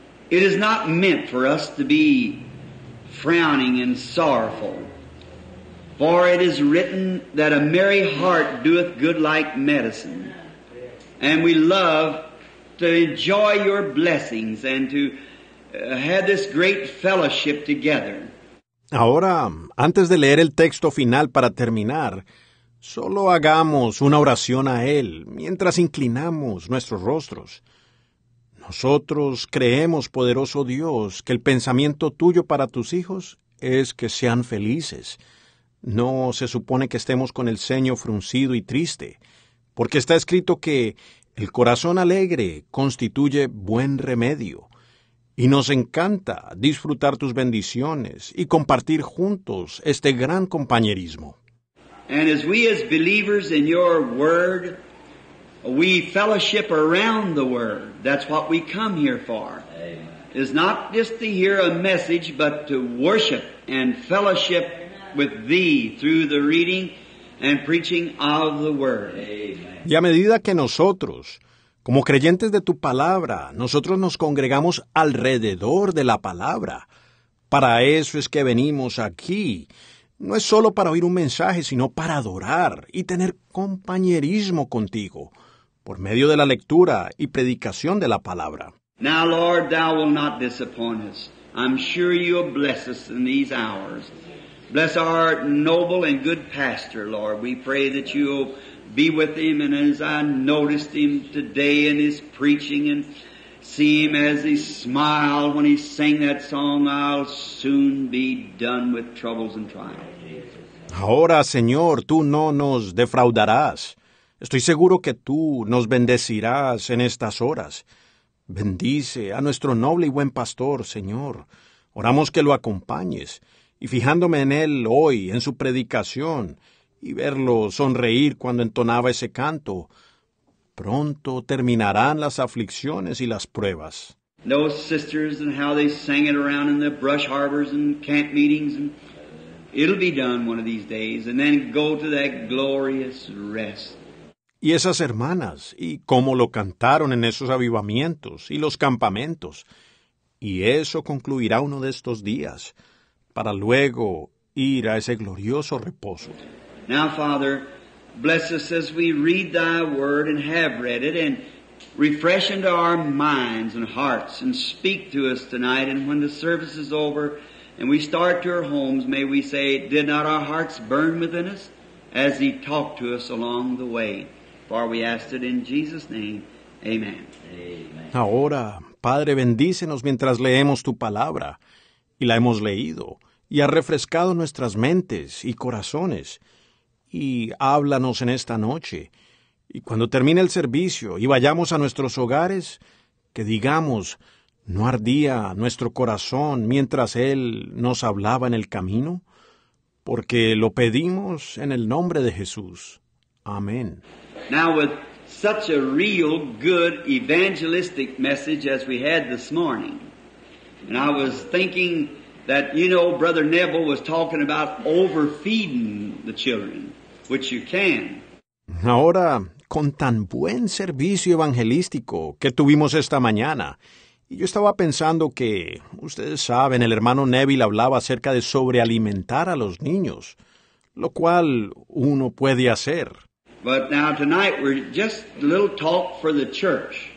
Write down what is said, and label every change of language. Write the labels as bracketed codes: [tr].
[en] It is not meant for us to be frowning and sorrowful, for it is written that a merry heart doeth good like medicine. Amen. And we love to enjoy your blessings and to have this great fellowship together. [es] Ahora, antes de leer el texto final para terminar, solo hagamos una oración a Él mientras inclinamos nuestros rostros. Nosotros creemos, poderoso Dios, que el pensamiento tuyo para tus hijos es que sean felices. No se supone que estemos con el ceño fruncido y triste, porque está escrito que el corazón alegre constituye buen remedio. Y nos encanta disfrutar tus bendiciones y compartir juntos este gran compañerismo. [en] And as we as believers in your word, we fellowship around the word. That's what we come here for. Amen. It's not just to hear a message, but to worship and fellowship with thee through the reading and preaching of the word. Amen. [es] Y a medida que nosotros, como creyentes de tu palabra, nosotros nos congregamos alrededor de la palabra. Para eso es que venimos aquí. No es solo para oír un mensaje, sino para adorar y tener compañerismo contigo por medio de la lectura y predicación de la palabra. [en] Now, Lord, thou will not disappoint us. I'm sure you'll bless us in these hours. Bless our noble and good pastor, Lord. We pray that you'll be with him, and as I noticed him today in his preaching and see him as he smiled when he sang that song, I'll soon be done with troubles and trials. [es] Ahora, Señor, tú no nos defraudarás. Estoy seguro que tú nos bendecirás en estas horas. Bendice a nuestro noble y buen pastor, Señor. Oramos que lo acompañes. Y fijándome en él hoy, en su predicación, y verlo sonreír cuando entonaba ese canto, pronto terminarán las aflicciones y las pruebas. [en] Those sisters and how they sang it around in the brush harbors and camp meetings. And it'll be done one of these days, and then go to that glorious rest. [es] Y esas hermanas, y cómo lo cantaron en esos avivamientos y los campamentos. Y eso concluirá uno de estos días, para luego ir a ese glorioso reposo. [en] Now, Father, bless us as we read thy word and have read it, and refresh into our minds and hearts, and speak to us tonight. And when the service is over and we start to our homes, may we say, did not our hearts burn within us as he talked to us along the way? For we ask it in Jesus' name. Amen. [es] Ahora, Padre, bendícenos mientras leemos tu palabra, y la hemos leído, y ha refrescado nuestras mentes y corazones. Y háblanos en esta noche, y cuando termine el servicio y vayamos a nuestros hogares, que digamos, ¿no ardía nuestro corazón mientras Él nos hablaba en el camino? Porque lo pedimos en el nombre de Jesús. Amén. [en] Now, with such a real good evangelistic message as we had this morning, and I was thinking that, you know, Brother Neville was talking about overfeeding the children, which you can. [es] Ahora, con tan buen servicio evangelístico que tuvimos esta mañana, y yo estaba pensando que, ustedes saben, el hermano Neville hablaba acerca de sobrealimentar a los niños, lo cual uno puede hacer. [en] But now tonight we're just a little talk for the church.